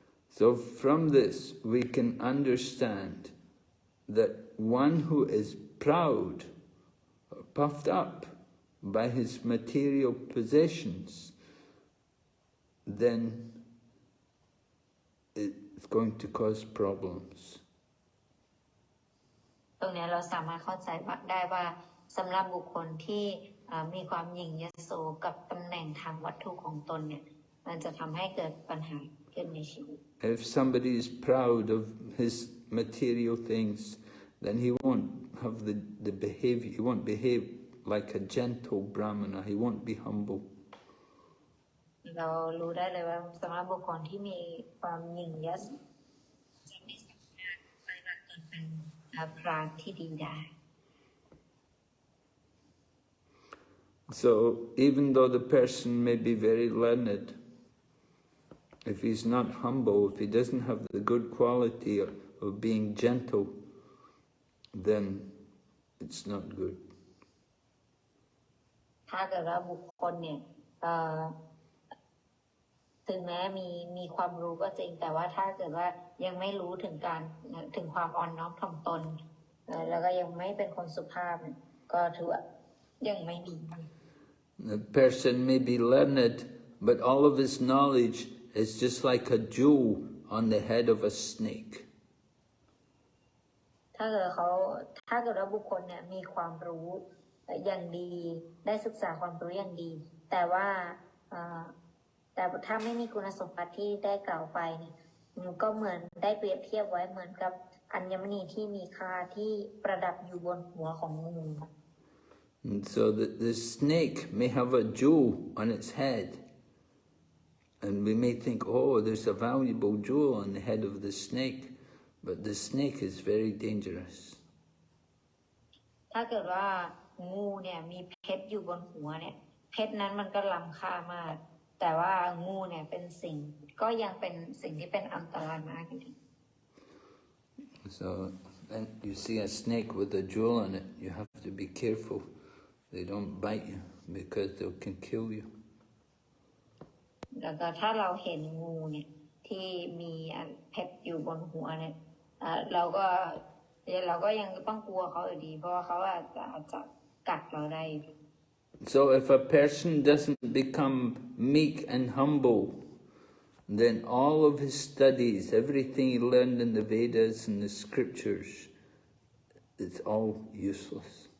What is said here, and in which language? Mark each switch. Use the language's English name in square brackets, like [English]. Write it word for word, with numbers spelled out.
[English] So from this, we can understand that one who is proud, puffed up by his material possessions, then it's going to cause problems. [Thai] ตรงเนี้ยเราสามารถเข้าใจได้ว่าสำหรับบุคคลที่เอ่อมีความหยิ่งยโสกับตำแหน่งทางวัตถุของตนเนี่ยมันจะทำให้เกิดปัญหาขึ้นในชีวิต [English] If somebody is proud of his material things, then he won't have the, the behavior, he won't behave like a gentle brahmana, he won't be humble. [Thai] เรารู้ได้เลยว่าสำหรับบุคคลที่มีความหยิ่งยโสจะไม่สามารถปฏิบัติตนเป็นเอ่อพราหมณ์ที่ดีได้ [English] So even though the person may be very learned, if he's not humble, if he doesn't have the good quality of, of being gentle, then it's not good. [Thai] ถ้าเกิดว่าบุคคลเนี่ยเอ่อถึงแม้มีมีความรู้ก็จริงแต่ว่าถ้าเกิดว่ายังไม่รู้ถึงการถึงความอ่อนน้อมถ่อมตนเอ่อแล้วก็ยังไม่เป็นคนสุภาพเนี่ยก็ถือว่ายังไม่ดี [English] The person may be learned, but all of his knowledge is just like a jewel on the head of a snake. [Thai] ถ้าเกิดเขาถ้าเกิดว่าบุคคลเนี่ยมีความรู้อย่างดีได้ศึกษาความรู้อย่างดีแต่ว่าเอ่อแต่ถ้าไม่มีคุณสมบัติที่ได้กล่าวไปเนี่ยมันก็เหมือนได้เปรียบเทียบไว้เหมือนกับอัญมณีที่มีค่าที่ประดับอยู่บนหัวของงูค่ะ [English] And so the, the snake may have a jewel on its head. And we may think, oh, there's a valuable jewel on the head of the snake, but the snake is very dangerous. [Thai] ถ้าเกิดว่างูเนี่ยมีเพชรอยู่บนหัวเนี่ยเพชรนั้นมันก็ล้ำค่ามากแต่ว่างูเนี่ยเป็นสิ่งก็ยังเป็นสิ่งที่เป็นอันตรายมากอยู่ [English] So when you see a snake with a jewel on it, you have to be careful they don't bite you because they can kill you. [Thai] แล้วก็ถ้าเราเห็นงูเนี่ยที่มีอันเพชรอยู่บนหัวเนี่ยเอ่อเราก็เราก็ยังต้องกลัวเขาอยู่ดีเพราะว่าเขาอาจจะอาจจะกัดเราได้ [English] So if a person doesn't become meek and humble, then all of his studies, everything he learned in the Vedas and the scriptures, it's all useless.